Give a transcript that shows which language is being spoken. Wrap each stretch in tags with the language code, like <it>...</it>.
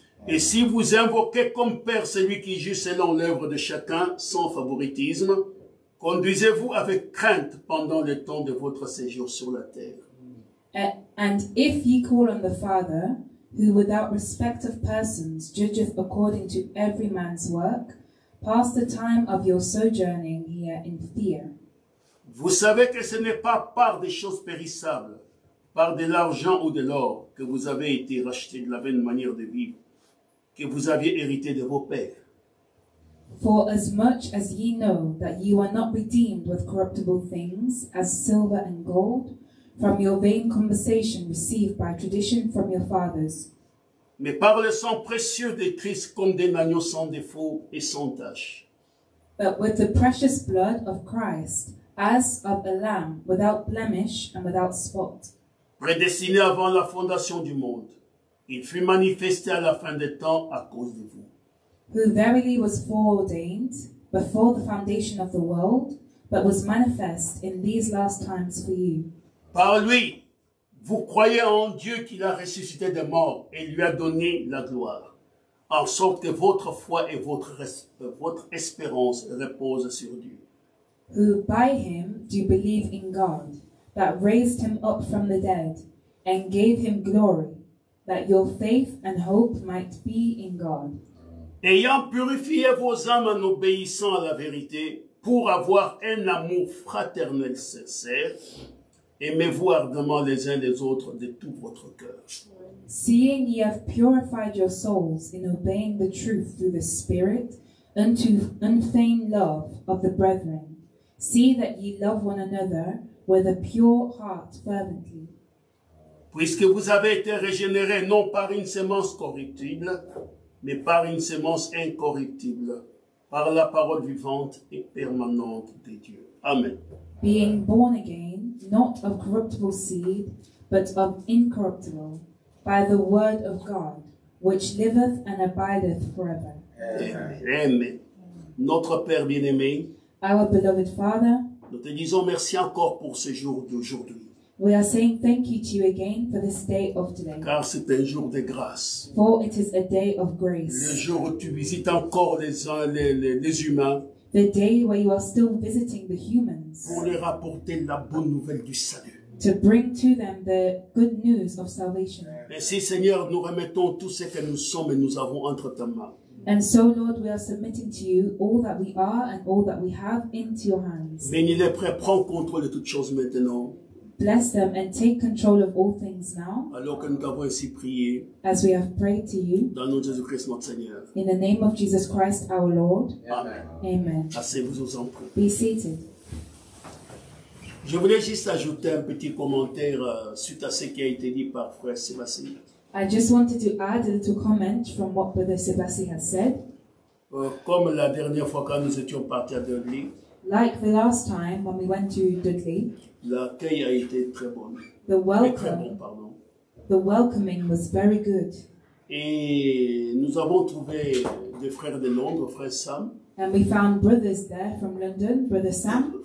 <fr>Et si vous invoquez comme père celui qui juge selon l'œuvre de chacun, sans favoritisme, conduisez-vous avec crainte pendant le temps de votre séjour sur la terre.</fr> <en>And if ye call on the Father, who without respect of persons judgeth according to every man's work, pass the time of your sojourning here in fear.</en> <fr>Vous savez que ce n'est pas par des choses périssables, par de l'argent ou de l'or, que vous avez été rachetés de la vaine manière de vivre que vous aviez hérité de vos pères.</fr> <en>For as much as ye know that ye are not redeemed with corruptible things, as silver and gold, from your vain conversation received by tradition from your fathers.</en> <fr>Mais par le sang précieux de Christ comme des agneaux sans défaut et sans tache.</fr> <en>But with the precious blood of Christ, as of a lamb, without blemish and without spot.</en> <fr>Prédestiné avant la fondation du monde, il fut manifesté à la fin des temps à cause de vous.</fr> <en>Who verily was foreordained before the foundation of the world, but was manifest in these last times for you.</en> <fr>Par lui, vous croyez en Dieu qui l'a ressuscité des morts et lui a donné la gloire, en sorte que votre foi et votre espérance reposent sur Dieu.</fr> <en>Who by him do believe in God, that raised him up from the dead and gave him glory, that your faith and hope might be in God.</en> <fr>Ayant purifié vos âmes en obéissant à la vérité, pour avoir un amour fraternel sincère, aimez-vous ardemment les uns les autres de tout votre cœur.</fr> <en>Seeing ye have purified your souls in obeying the truth through the Spirit, unto unfeigned love of the brethren, see that ye love one another with a pure heart fervently.</en> <fr>Puisque vous avez été régénérés non par une semence corruptible, mais par une semence incorruptible, par la parole vivante et permanente de Dieu. Amen.</fr> <en>Being born again, not of corruptible seed, but of incorruptible, by the word of God, which liveth and abideth forever.</en> <fr>Amen. Amen. Notre Père bien-aimé,</fr> <en>our beloved Father,</en> <fr>nous te disons merci encore pour ce jour d'aujourd'hui.</fr> <en>We are saying thank you to you again for this day of today.</en> <fr>Car c'est un jour de grâce.</fr> <en>For it is a day of grace.</en> <fr>Le jour où tu visites encore les humains.</fr> <en>The day where you are still visiting the humans.</en> <fr>Pour leur apporter la bonne nouvelle du salut.</fr> <en>To bring to them the good news of salvation.</en> <fr>Ainsi, Seigneur, nous remettons tout ce que nous sommes et nous avons entre ta main.</fr> <en>And so, Lord, we are submitting to you all that we are and all that we have into your hands.</en> <fr>Bénis les prêts, prends contrôle de toutes choses maintenant.</fr> <en>Bless them and take control of all things now.</en> <fr>Alors que nous t'avons ainsi prié,</fr> <en>as we have prayed to you.</en> <fr>Dans notre Jésus Christ, notre Seigneur.</fr> <en>In the name of Jesus Christ, our Lord. Amen. Amen.</en> <fr>Asseyez-vous, je vous en prie.</fr> <en>Be seated.</en> <fr>Je voulais juste ajouter un petit commentaire suite à ce qui a été dit par Frère Sébastien.</fr> <en>I just wanted to add a little comment from what Brother Sébastien has said.</en> <fr>Comme la dernière fois quand nous étions partis à Dudley.</fr> <en>Like the last time when we went to Dudley.</en> <fr>L'accueil a été très bon.</fr> <en>The welcome,</en> <fr>très bon,</fr> <en>the welcoming was very good.</en> <fr>Et nous avons trouvé des frères de Londres, frère Sam.</fr> <en>And we found brothers there from London, brother Sam.</en>